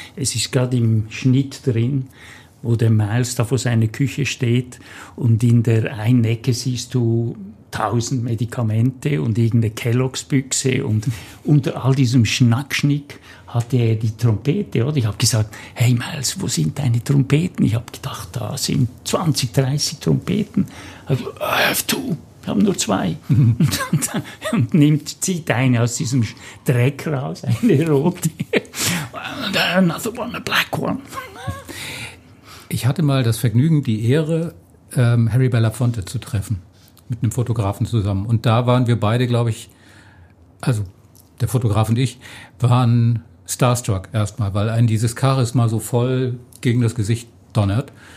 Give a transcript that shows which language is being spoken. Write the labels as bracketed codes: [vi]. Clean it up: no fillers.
[de] Es ist gerade im Schnitt drin, wo der Miles da vor seiner Küche steht und in der einen Ecke siehst du 1000 Medikamente und irgendeine Kelloggs-Büchse und unter all diesem Schnackschnick hatte er die Trompete, oder? Ich habe gesagt, hey Miles, wo sind deine Trompeten? Ich habe gedacht, da sind 20, 30 Trompeten. [en] I have two. [de] Ich habe nur zwei. Und nimmt, zieht eine aus diesem Dreck raus, eine rote. [en] And another one, a black one. [de] Ich hatte mal das Vergnügen, die Ehre, Harry Belafonte zu treffen, mit einem Fotografen zusammen. Und da waren wir beide, glaube ich, also der Fotograf und ich, waren starstruck erstmal, weil einen dieses Charisma so voll gegen das Gesicht donnert.